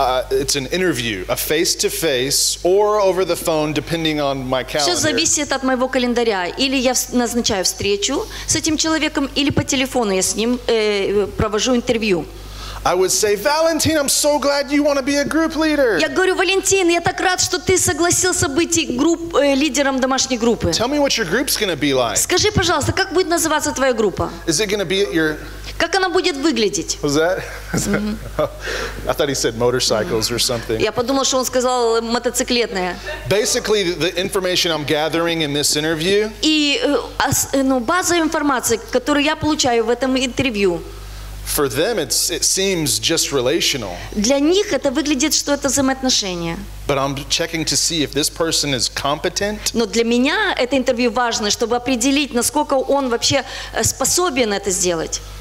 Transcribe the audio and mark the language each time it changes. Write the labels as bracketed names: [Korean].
[English] It's an interview, a face-to-face or over the phone, depending on my calendar. [Russian] Все зависит от моего календаря. Или я назначаю встречу с этим человеком, или по телефону я с ним провожу интервью. [English] I would say, Valentin, I'm so glad you want to be a group leader. [Russian] Я говорю, Валентин, я так рад, что ты согласился быть лидером домашней группы. [English] Tell me what your group's going to be like. [Russian] Скажи, пожалуйста, как будет называться твоя группа? [English] Is it going to be at your? [Russian] Как она будет выглядеть? [English] Was that? Mm-hmm. I thought he said motorcycles or something. [Russian] Я подумал, что он сказал мотоциклетная. [English] Basically, the information I'm gathering in this interview. [Russian] И базовая информация, которую я получаю в этом интервью. [English] For them, it seems just relational. [Russian] Для них это выглядит, что это взаимоотношения. [English] But I'm checking to see if this person is competent. [Russian] Но для меня это интервью важно, чтобы определить, насколько он вообще способен это сделать.